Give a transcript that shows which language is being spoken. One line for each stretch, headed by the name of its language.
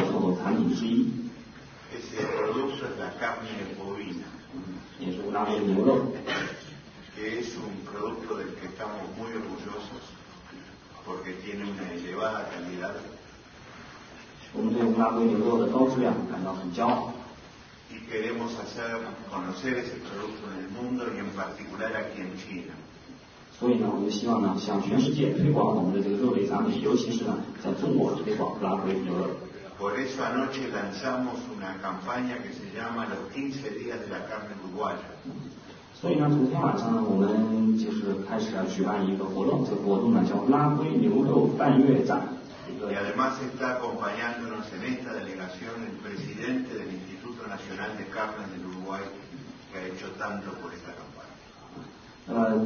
Spanish: Ese producto es la carne bovina. Que es un producto del que estamos muy orgullosos porque tiene una elevada calidad.
Chinese: 我们对乌拉圭牛肉的高质量感到很骄傲。
Spanish: y queremos hacer conocer ese producto en el mundo y en particular aquí en China.
Chinese: 所以呢，我们希望呢，向全世界推广我们的这个肉类产品，尤其是呢，在中国推广拉回牛肉。
Spanish: Por eso anoche lanzamos una campaña que se llama Los 15 días de la carne uruguaya.
Chinese: 所以呢，昨天晚上呢，我们就是开始要举办一个活动，这个活动呢叫拉回牛肉半月展。
Spanish: Y además está acompañándonos en esta delegación el presidente del Instituto Nacional de Carne del Uruguay, que ha hecho tanto por esta campaña.